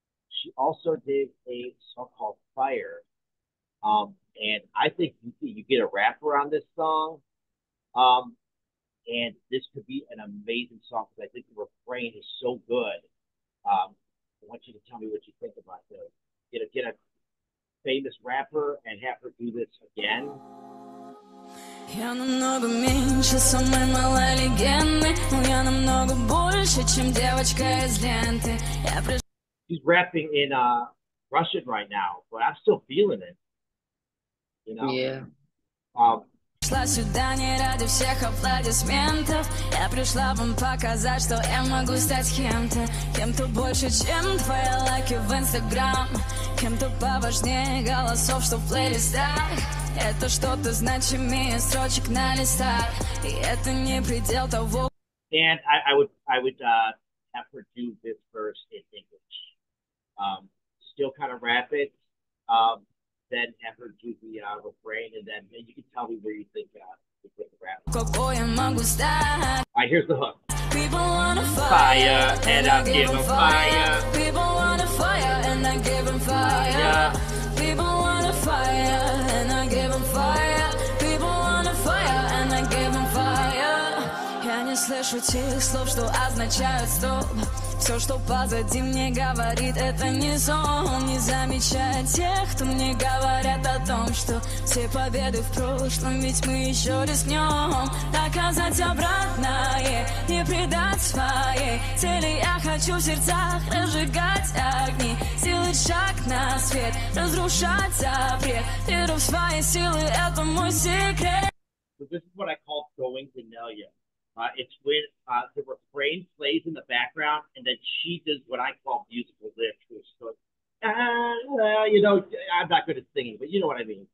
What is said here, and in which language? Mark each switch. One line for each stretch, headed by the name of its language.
English: She also did a song called Fire. And I think you get a rap around this song. And this could be an amazing song because I think the refrain is so good. I want you to tell me what you think about this. Get a famous rapper and have her do this again.
Russian: Я намного меньше, самой малой легенды. Но я намного больше, чем девочка из ленты.
English: She's rapping in Russian right now, but I'm still feeling it. Yeah.
Russian: Пришла сюда не ради всех аплодисментов. Я пришла вам показать, что я могу стать кем-то. Кем-то больше, чем твои лайки в Инстаграм. Кем-то поважнее голосов, что в плейлистах. Это что-то значимее строчек на листах. И это не предел того.
English: And I would have her do this verse in English. Still kind of rap it. Then have her do the refrain, and then you can tell me where you think the rap. Alright, here's the hook. People want a fire, and I give them fire. People want a fire, and I give them fire. People want a fire, and I give them fire. People want a fire, and I give them fire.
Russian: Я не слышу тех слов, что означают стоп. Все, что позади мне говорит, это не сон. Не замечает тех, кто мне говорят о том, что все победы в прошлом, ведь мы еще рискнем. Доказать обратное, не предать свои цели. Я хочу в сердцах разжигать огни, сделать шаг на свет, разрушать запрет. Веру в свои силы, это мой секрет.
English: So this is what I call going to Daneliya. It's when the refrain plays in the background, and then she does what I call musical lift, which is like, well, you know, I'm not good at singing, but you know what I mean.